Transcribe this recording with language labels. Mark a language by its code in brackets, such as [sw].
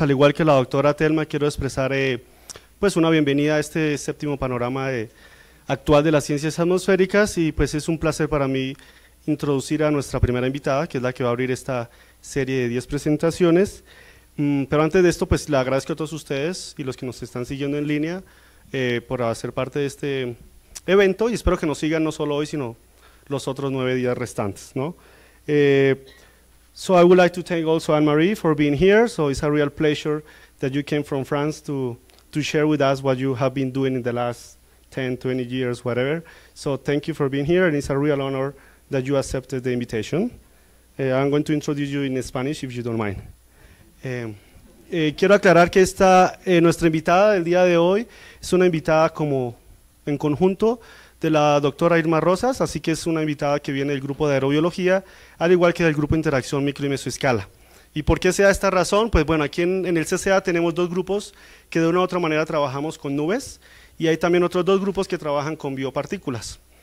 [es] Al igual que la doctora Telma, quiero expresar pues una bienvenida a este séptimo panorama actual de las ciencias atmosféricas, y pues es un placer para mí introducir a nuestra primera invitada, que es la que va a abrir esta serie de 10 presentaciones. Pero antes de esto, pues le agradezco a todos ustedes y los que nos están siguiendo en línea por hacer parte de este evento, y espero que nos sigan no solo hoy, sino los otros 9 días restantes, ¿no? [en] So I would like to thank also Anne-Marie for being here. So it's a real pleasure that you came from France to share with us what you have been doing in the last 10, 20 years, whatever. So thank you for being here, and it's a real honor that you accepted the invitation. I'm going to introduce you in Spanish, if you don't mind. [es] Quiero aclarar que esta nuestra invitada del día de hoy es una invitada como en conjunto de la doctora Irma Rosas, así que es una invitada que viene del grupo de aerobiología, al igual que del grupo de interacción micro y mesoescala. ¿Y por qué sea esta razón? Pues bueno, aquí en el CCA tenemos dos grupos que de una u otra manera trabajamos con nubes, y hay también otros dos grupos que trabajan con biopartículas.